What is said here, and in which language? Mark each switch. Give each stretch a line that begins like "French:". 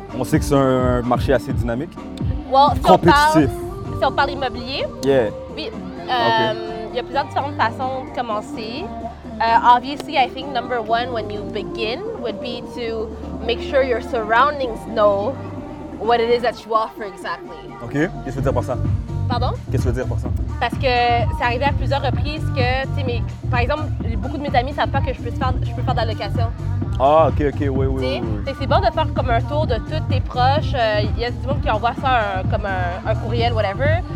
French: On sait que c'est un marché assez dynamique.
English: Well,
French: compétitif. Si on parle immobilier,
English: yeah.
French: Oui, okay. Il y a plusieurs différentes façons de commencer.
English: Obviously, I think number one when you begin would be to make sure your surroundings know what it is that you offer exactly. OK.
French: Qu'est-ce que tu veux dire par ça? Pardon? Qu'est-ce que tu veux dire par ça? Parce que c'est arrivé à plusieurs reprises que, tu sais, mais par exemple, beaucoup de mes amis ne savent pas que je peux faire de la location. Ah, OK, OK, oui, oui, oui, oui. C'est bon de faire comme un tour de tous tes proches. Il y a du monde qui envoie ça comme un courriel, whatever.